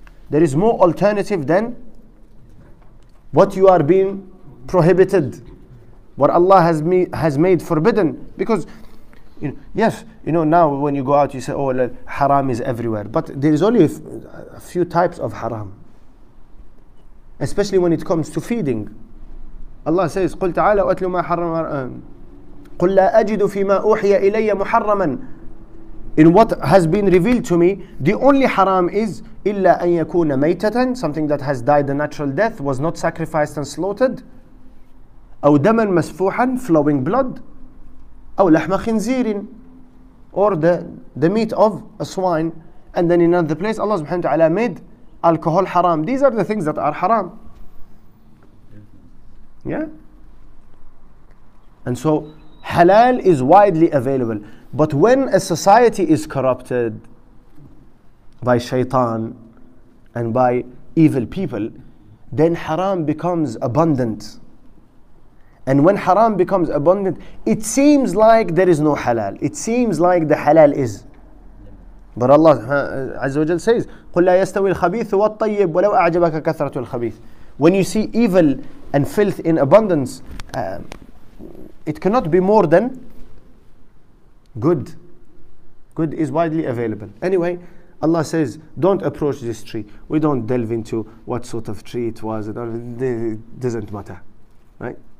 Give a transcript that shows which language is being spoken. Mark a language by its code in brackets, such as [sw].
[en] There is more alternative than what you are being prohibited, what Allah has made forbidden. Because, you know, yes, you know, now when you go out, you say, oh, haram is everywhere. But there is only a few types of haram. Especially when it comes to feeding. Allah says, [ar] قُلْ تَعَالَ وَأَتْلُ مَا حَرَّمَ قُلْ لَا أَجِدُ فِي مَا أُوحِيَ إِلَيَّ مُحَرَّمًا. [en] In what has been revealed to me, the only haram is [ar] إِلَّا أَن يَكُونَ مَيْتَةً, [en] something that has died a natural death, was not sacrificed and slaughtered, [ar] أَوْ دَمًا مَسْفُوحًا, [en] flowing blood, [ar] أَوْ لَحْمَ خِنْزِيرٍ, [en] or the meat of a swine. And then in another place, Allah subhanahu wa ta'ala made alcohol haram. These are the things that are haram. Yeah? And so, halal is widely available. But when a society is corrupted by shaitan and by evil people, then haram becomes abundant. And when haram becomes abundant, it seems like there is no halal. It seems like the halal is. But Allah Azza wa Jal says, [ar] قُلْ لَا يَسْتَوِي الْخَبِيثُ وَالطَّيِّبُ وَلَوْ أَعْجَبَكَ كَثْرَةُ الْخَبِيثُ. [en] When you see evil and filth in abundance, it cannot be more than good. Good is widely available. Anyway, Allah says, don't approach this tree. We don't delve into what sort of tree it was. It doesn't matter. Right?